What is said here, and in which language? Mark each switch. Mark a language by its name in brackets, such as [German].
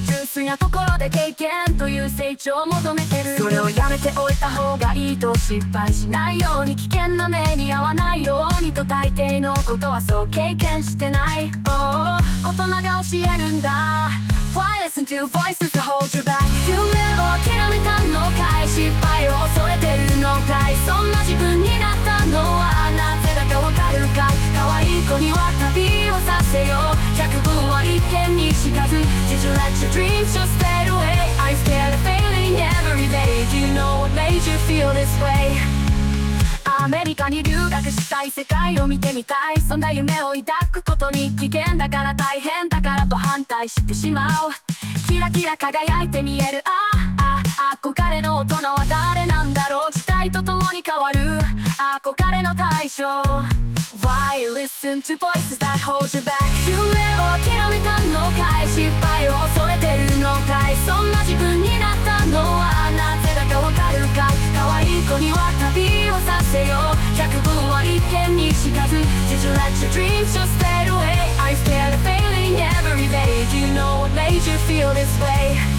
[Japanese] 純粋な心で経験という成長を求めてる。それをやめておいた方がいいと、失敗しないように、危険な目に遭わないようにと、大抵のことはそう経験してない。 Oh, 大人が教えるんだ。 [English] Why listen to voices that hold you back? [Japanese] 夢を諦めたのかい。失敗を恐れてるのかい。そんな自分になったのはなぜだかわかるかい。可愛い子には旅をさせよう。 [English] Did you let your dreams just fade away? I'm scared of failing every day. Do you know what made you feel this way? [Japanese] アメリカに留学したい、世界を見てみたい。そんな夢を抱くことに危険だから、大変だからと反対してしまう。キラキラ輝いて見える、憧れの大人は誰なんだろう。時代とともに変わる憧れの対象。 [English] Why listen to voices that hold you back? [Japanese] 夢を諦めたのかい。失敗を恐れてるのかい。そんな自分になったのはなぜだかわかるかい。可愛い子には旅をさせよう。百聞は一見にしかず。 [English] Did you let your dreams just fade away? I'm scared of failing every day. Do you know what made you feel this way?